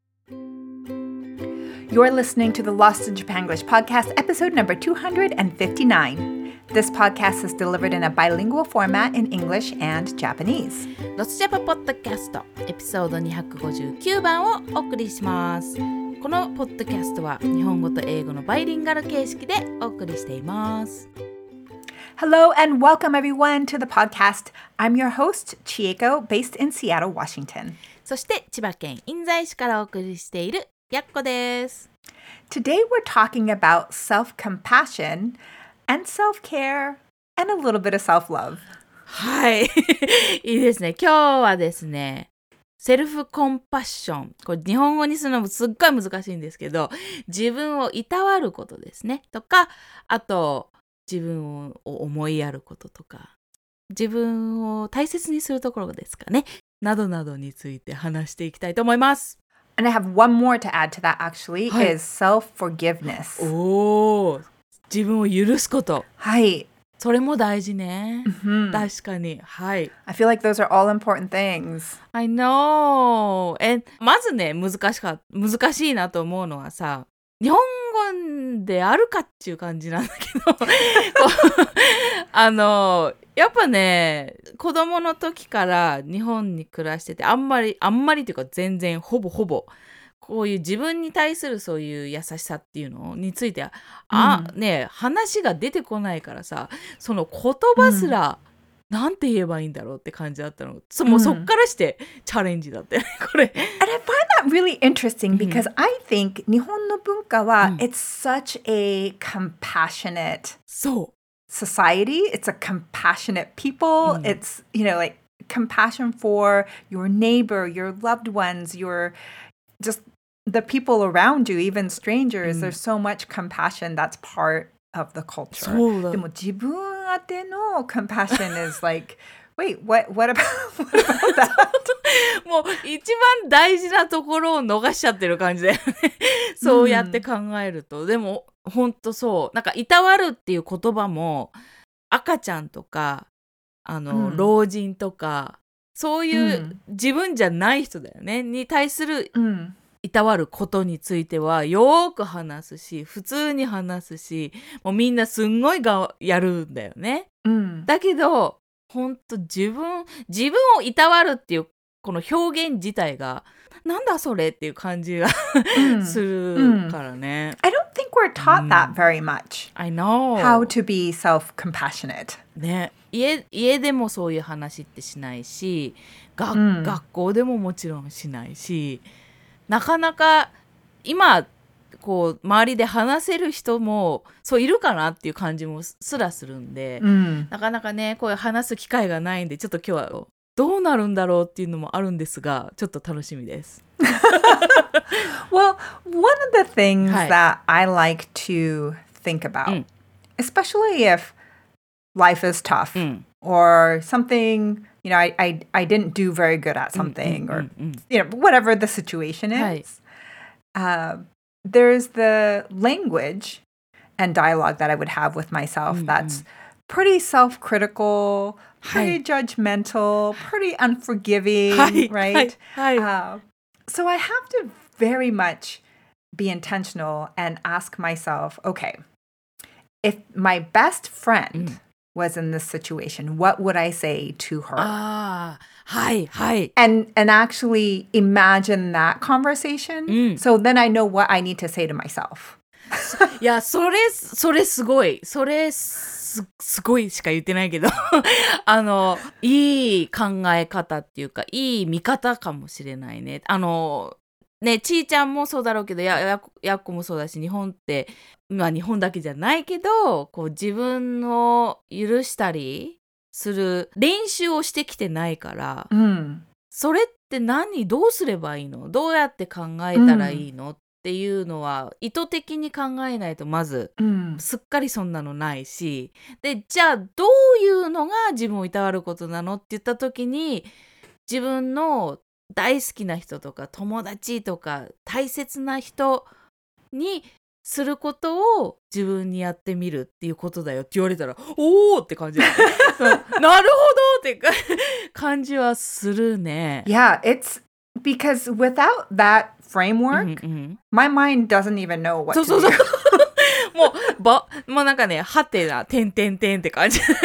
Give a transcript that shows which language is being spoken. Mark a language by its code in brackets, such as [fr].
[en] You're listening to the Lost in Japanglish podcast, episode number 259. This podcast is delivered in a bilingual format in English and Japanese. [ja] Lost in Japan podcast, episode 259番をお送りします。このポッドキャストは日本語と英語のバイリンガル形式でお送りしています。 [en] Hello and welcome everyone to the podcast. I'm your host, Chieko, based in Seattle, Washington. [ja] そして千葉県印西市からお送りしているやっこです。 [en] Today we're talking about self-compassion and self-care and a little bit of self-love. [ja] はい、いいですね。今日はですね、セルフコンパッション。これ日本語にするのもすっごい難しいんですけど、自分をいたわることですね。とか、あと、自分を思いやることとか、自分を大切にするところですかね。などなどについて話していきたいと思います。 [en] And I have one more to add to that actually、はい、is self-forgiveness. [ja] おー、自分を許すこと。はい。それも大事ね。確かに。はい。 [en] I feel like those are all important things. I know. [ja] And まずね、難しいなと思うのはさ、日本語であるかっていう感じなんだけど。やっぱね、子供の時から日本に暮らしてて、あんまりというか全然ほぼほぼ、こういう自分に対するそういう優しさっていうのについて、あ、ね、話が出てこないからさ、その言葉すら、なんて言えばいいんだろうって感じだったの。もうそっからしてチャレンジだって、これ。 [en] And I find that really interesting because I think [ja] 日本の文化は、 [en] it's such a compassionate society. It's a compassionate people. It's, you know, like, compassion for your neighbor, your loved ones, your... just the people around you, even strangers, there's so much compassion that's part of the culture. [ja] でも自分宛ての [en] compassion is like, wait, what about that? [ja] もう一番大事なところを逃しちゃってる感じだよね。そうやって考えると。でも本当そう。なんかいたわるっていう言葉も赤ちゃんとか老人とかそういう自分じゃない人だよね、に対するいたわることについてはよく話すし、普通に話すし、もうみんなすんごいやるんだよね。だけど、本当自分をいたわるっていうこの表現自体が、なんだそれっていう感じがするからね。 [en] I don't think we're taught that very much. I know. How to be self-compassionate. [ja] ね。家でもそういう話ってしないし、学校でももちろんしないし、なかなか今こう周りで話せる人もそういるかなっていう感じもすらするんで、なかなかねこういう話す機会がないんで、ちょっと今日はどうなるんだろうっていうのもあるんですが、ちょっと楽しみです。 [en] Well, one of the things that I like to think about, especially if life is tough, or something, you know, I didn't do very good at something, or, you know, whatever the situation is. There's the language and dialogue that I would have with myself that's pretty self-critical, pretty judgmental, pretty unforgiving, right? So I have to very much be intentional and ask myself, okay, if my best friend... was in this situation, what would I say to her? And actually imagine that conversation. So then I know what I need to say to myself. [ja] Yeah, それすごい。それすごいしか言ってないけど、いい考え方っていうか、いい見方かもしれないね。ね、ちーちゃんもそうだろうけど、やっこもそうだし、日本って、まあ日本だけじゃないけど、こう自分を許したりする練習をしてきてないから、それって何、どうすればいいの、どうやって考えたらいいのっていうのは、意図的に考えないと、まず、すっかりそんなのないし、で、じゃあどういうのが自分をいたわることなのって言った時に、自分の大好きな人とか友達とか大切な人にすることを自分にやってみるっていうことだよって言われたら、おーって感じなるほどって感じはするね。 [en] Yeah, it's because without that framework, mm-hmm, mm-hmm. my mind doesn't even know what to do. [ja] もう、ば、もうなんかね、はてな、てんてんてんって感じ。